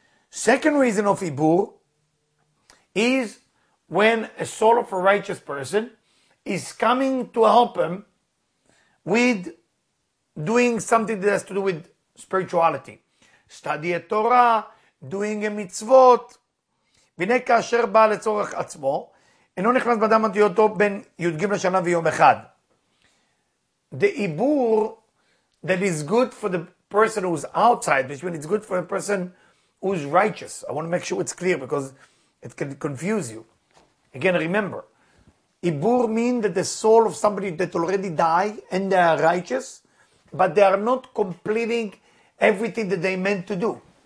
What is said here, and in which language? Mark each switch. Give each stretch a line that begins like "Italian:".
English: Second reason of Ibur is when a soul of a righteous person is coming to help him with doing something that has to do with spirituality. Study a Torah, doing a mitzvot.
Hebrew: והנה כאשר בא לצורך עצמו, אינו נכנס באדם עד היותו בין י"ג לשנה ויום אחד.
English: The Ibur that is good for the person who is outside, which means it's good for a person who's righteous. I want to make sure it's clear because it can confuse you. Again, remember, Ibur means that the soul of somebody that already died and they are righteous, but they are not completing everything that they meant to do.